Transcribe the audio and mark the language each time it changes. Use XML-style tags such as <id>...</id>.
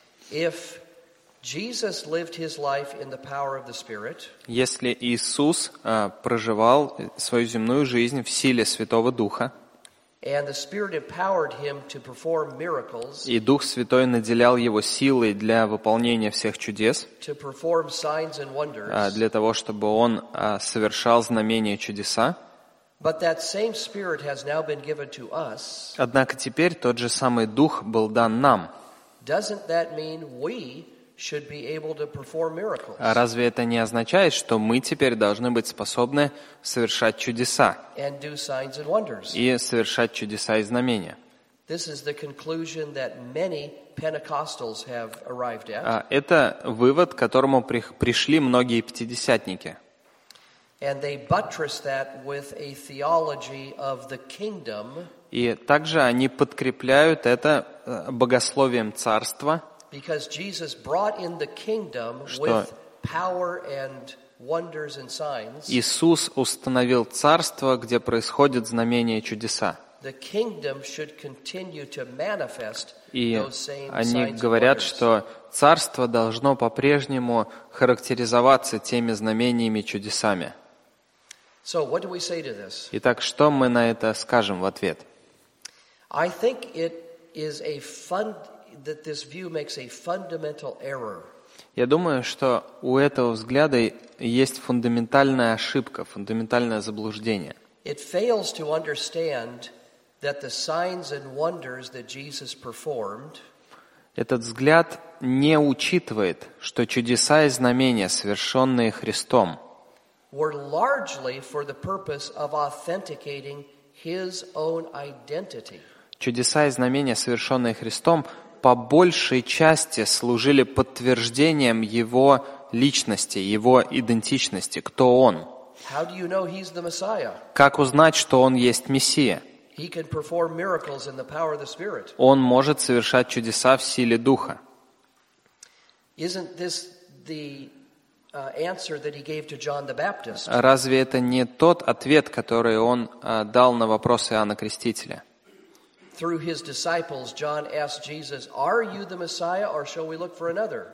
<en>If Jesus lived his life in the power of the Spirit.</en> <ru>Если Иисус проживал свою земную жизнь в силе Святого Духа,</ru> <en>and the Spirit empowered him to perform miracles,</en> <ru>и Дух Святой наделял его силой для выполнения всех чудес,</ru> <en>to perform signs and wonders,</en> <ru>для того, чтобы он совершал знамения и чудеса,</ru> <en>but that same Spirit has now been given to us.</en> <ru>Однако теперь тот же самый Дух был дан нам.</ru> <en>Doesn't that mean we should be able to perform miracles?</en> <ru>А разве это не означает, что мы теперь должны быть способны совершать чудеса?</ru> <en>And do signs and wonders.</en> <ru>И совершать чудеса и знамения.</ru> <en>This is the conclusion that many Pentecostals have arrived at.</en> <ru>Это вывод, к которому пришли многие пятидесятники.</ru> <en>And they buttress that with a theology of the kingdom.</en> <ru>И также они подкрепляют это богословием царства.</ru> <en>Because Jesus brought in the kingdom with power and wonders and signs.</en> <ru>Иисус установил царство, где происходят знамения и чудеса.</ru> <en>The kingdom should continue to manifest those same signs and wonders.</en> <ru>И они говорят, что царство должно по-прежнему характеризоваться теми знамениями и чудесами.</ru> <en>So what do we say to this?</en> <ru>Итак, что мы на это скажем в ответ?</ru> <en>I think it is a that this view makes a fundamental error.</en> <ru>Я думаю, что у этого взгляда есть фундаментальная ошибка, фундаментальное заблуждение.</ru> <en>It fails to understand that the signs and wonders that Jesus performed.</en> <ru>Этот взгляд не учитывает, что чудеса и знамения, совершенные Христом, were largely for the purpose of authenticating his own identity. Чудеса и знамения, совершенные Христом, по большей части служили подтверждением его личности, его идентичности, кто он.</ru> <en>How do you know he's the Messiah?</en> <ru>Как узнать, что он есть Мессия?</ru> <en>He can perform miracles in the power of the Spirit.</en> <ru>Он может совершать чудеса в силе Духа.</ru> <en>Isn't this the answer that he gave to John the Baptist?</en> <ru>Разве это не тот ответ, который он дал на вопрос Иоанна Крестителя?</ru> <en>Through his disciples, John asked Jesus, "Are you the Messiah, or shall we look for another?"</en>